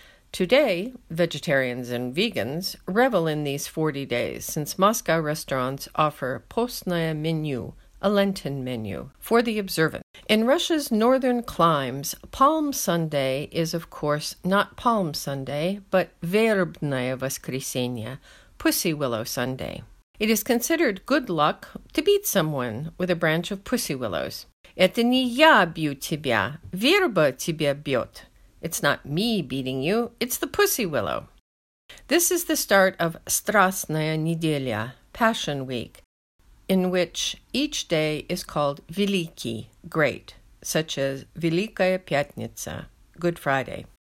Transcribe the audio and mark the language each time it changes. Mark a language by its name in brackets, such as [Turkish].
[English] Today, vegetarians and vegans revel in these 40 days, since Moscow restaurants offer postnaya menu, a Lenten menu, for the observant. In Russia's northern climes, Palm Sunday is, of course, not Palm Sunday, but Verbnaya Voskresenye, Pussy Willow Sunday. It is considered good luck to beat someone with a branch of pussy willows. [Russian] Это не я бью тебя, верба тебя бьет. [English] It's not me beating you, it's the pussy willow. This is the start of Strasnaya Nedelya, Passion Week, in which each day is called Veliki, great, such as Velikaya Pyatnitsa, Good Friday.